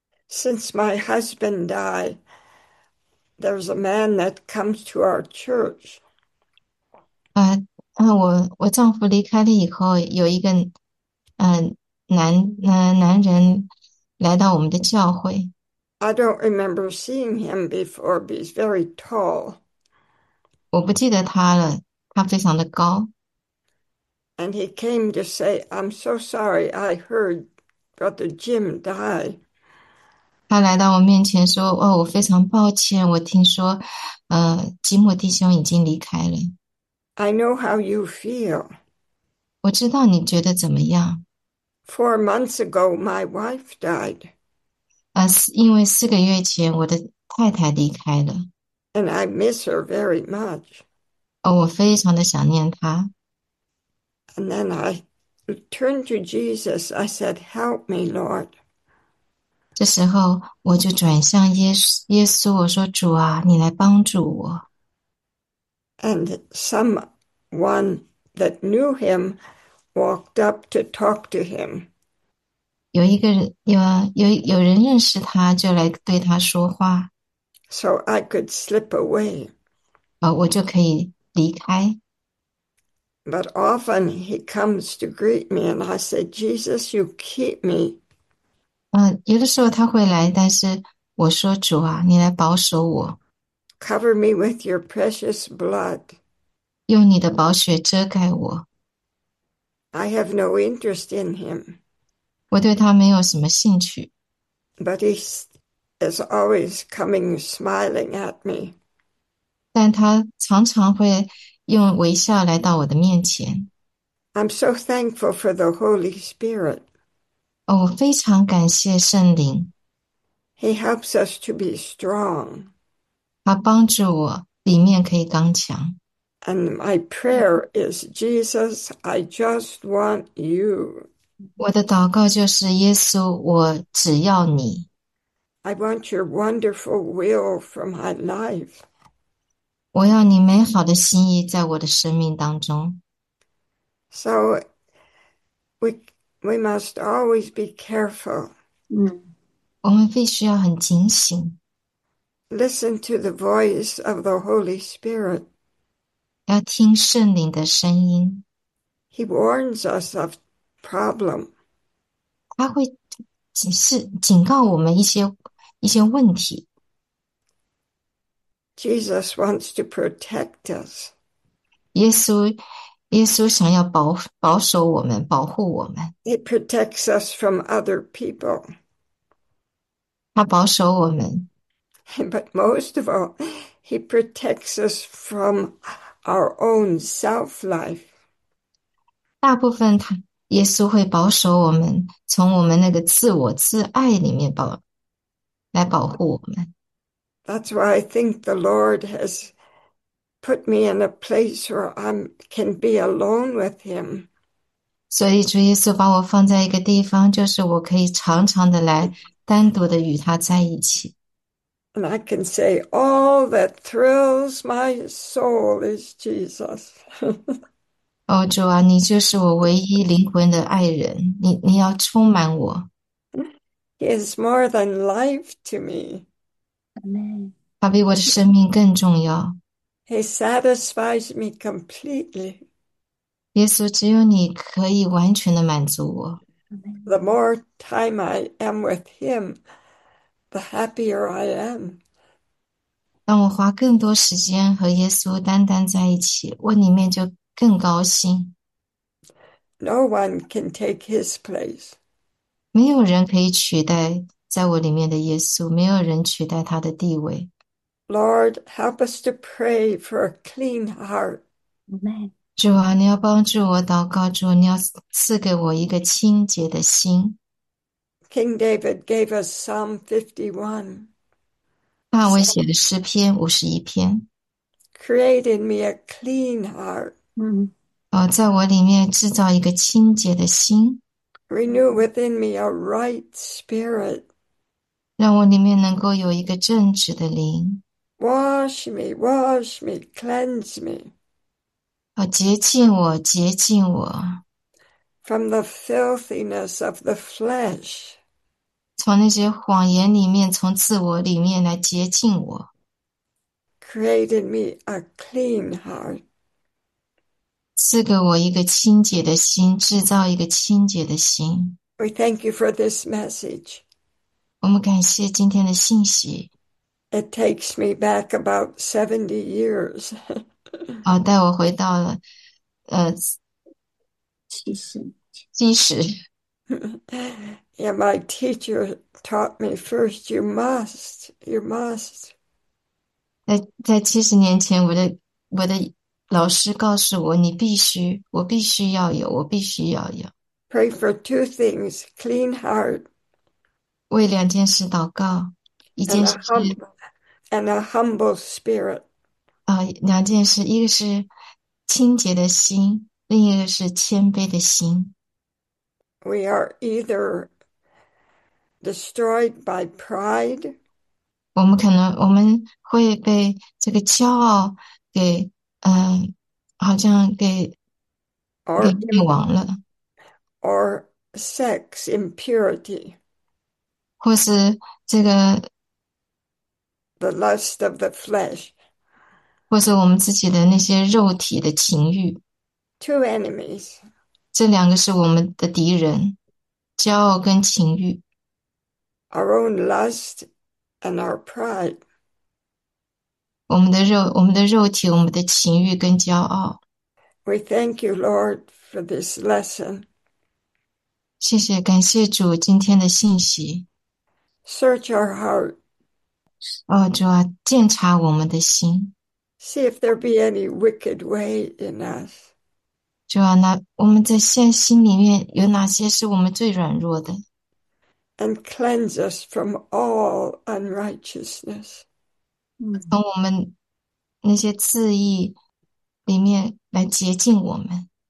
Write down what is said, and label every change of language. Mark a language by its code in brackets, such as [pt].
[en] Since my husband died, there's a man that comes to our church. [zh] 我丈夫离开了以后，有一个男人来到我们的教会。 [en] I don't remember seeing him before, but he's very tall. [zh] 我不记得他了。他非常的高。 [en] And he came to say, I'm so sorry, I heard Brother Jim die. [zh] 他来到我面前说：“哦，我非常抱歉，我听说，吉姆弟兄已经离开了。 [en] I know how you feel. [zh] 我知道你觉得怎么样。 [en] 4 months ago, my wife died. [zh] 因为4个月前我的太太离开了。” [en] And I miss her very much. [zh] 哦，我非常的想念他。 [en] And then I turned to Jesus. I said, Help me, Lord. [zh] 这时候我就转向耶稣，我说：“主啊，你来帮助我。 [en] And someone that knew him walked up to talk to him. [zh] ”有人认识他，就来对他说话。 [en] So I could slip away. [zh] 我就可以。离开。 [en] But often he comes to greet me, and I say, Jesus, you keep me. [zh] 有的时候他会来，但是我说：“主啊，你来保守我， [en] Cover me with your precious blood. [zh] 用你的宝血遮盖 [en] I have no interest in him. [zh] 我。”我对他没有什么兴趣。 [en] But he is always coming smiling at me. [zh] 但他常常会用微笑来到我的面前。 [en] I'm so thankful for the Holy Spirit. [zh] 哦，我非常感谢圣灵， [en] He helps us to be strong. [zh] 他帮助我，里面可以刚强。 [en] And my prayer is, Jesus, I just want you. [zh] 我的祷告就是耶稣，我只要你。 [en] I want your wonderful will for my life. [zh] 我要你美好的心意在我的生命当中。 [en] So we must always be careful. [zh] 我们必须要很警醒， [en] Listen to the voice of the Holy Spirit. [zh] 要听圣灵的声音。 [en] He warns us of problem. [zh] 他会警告我们一些问题。 [en] Jesus wants to protect us. [zh] 耶稣想要保守我们，保护我们。 [en] He protects us from other people. [zh] 他保守我们。 [en] But most of all, he protects us from our own self-life. [zh] 大部分他，耶稣会保守我们，从我们那个自爱里面来保护我们。 [en] That's why I think the Lord has put me in a place where I can be alone with Him. [zh] 所以主耶稣把我放在一个地方，就是我可以常常的来单独的与他在一起。 [en] I can say, All that thrills my soul is Jesus. [zh] 哦，主啊，你就是我唯一灵魂的爱人，你要充满我。 [en] is more than life to me. [zh] 他比我的生命更重要。 [en] He satisfies me completely. [zh] 耶稣，只有你可以完全的满足我。 [en] The more time I am with him, the happier I am. [zh] 当我花更多时间和耶稣单单在一起，我里面就更高兴。 [en] No one can take his place. [zh] 没有人可以取代在我里面的耶稣，没有人取代他的地位。 [en] Lord, help us to pray for a clean heart. Amen. [zh] 主啊，你要帮助我祷告，主，你要赐给我一个清洁的心。 [en] King David gave us Psalm 51. [zh] 大卫 [en] So, [zh] 写的诗篇51篇。 [en] create in me a clean heart. [zh] 在我里面制造一个清洁的心， [en] Renew within me a right spirit. [zh] 让我里面能够有一个正直的灵， [en] Wash me, wash me, cleanse me. [zh] 洁净我，洁净我。 [en] From the filthiness of the flesh. [zh] 从那些谎言里面，从自我里面来洁净我。 [en] Create in me a clean heart. [zh] 赐给我一个清洁的心，制造一个清洁的心。 [en] We thank you for this message. [zh] 我们感谢今天的信息。 [en] It takes me back about 70 years. [zh] 带我回到了，其实。历史。 [en] Yeah, my teacher taught me first, you must, you must. [zh] 在70年前，我的老师告诉我，你必须，我必须要有，我必须要有。 [en] Pray for two things, clean heart [zh] 为2件事祷告，一件事是， [en] and a humble spirit. [zh] 2件事，一个是清洁的心，另一个是谦卑的心。 [en] We are either destroyed by pride. [zh] 我们会被这个骄傲给，好像给灭亡了， [en] Or sex impurity, [zh] 或是这个， [en] the lust of the flesh. [zh] 或是我们自己的那些肉体的情欲， [en] Two enemies. [zh] 这2个是我们的敌人，骄傲跟情欲。 [en] Our own lust and our pride. [zh] 我们的肉体，我们的情欲跟骄傲。 [en] We thank you, Lord, for this lesson. [zh] 谢谢，感谢主今天的信息。 [en] Search our heart. [zh] 主啊，鉴察我们的心。 [en] See if there be any wicked way in us. [zh] 主啊，那我们在心里面有哪些是我们最软弱的？ [en] And cleanse us from all unrighteousness. [zh] 从我们那些恣意里面来洁净我们，